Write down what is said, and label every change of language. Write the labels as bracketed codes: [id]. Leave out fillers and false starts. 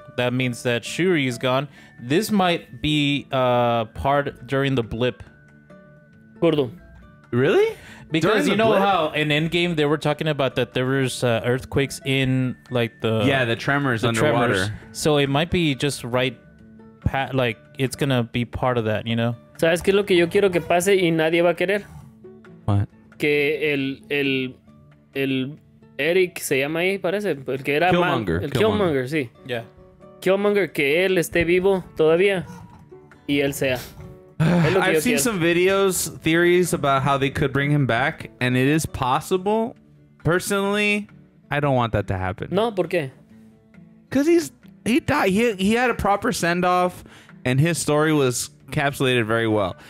[en] That means that Shuri is gone. This might be part during the blip. [es] Gordo. [en] Really? Because during you know blip? How in Endgame they were talking about that there was earthquakes in like the... Yeah, the tremors the underwater. Tremors. So it might be just right... like it's going to be part of that, you know? [es] ¿Sabes qué es lo que yo quiero que pase y nadie va a querer? [en] What? [es] Que el Eric se llama ahí, parece. El que era Killmonger. Killmonger, sí. [en] Yeah. [es] Killmonger, que él esté vivo todavía y él sea. [en] I've seen some videos, theories about how they could bring him back, and it is possible. Personally, I don't want that to happen. [es] No, ¿por qué? [en] Because he died. He had a proper send-off, and his story was encapsulated very well.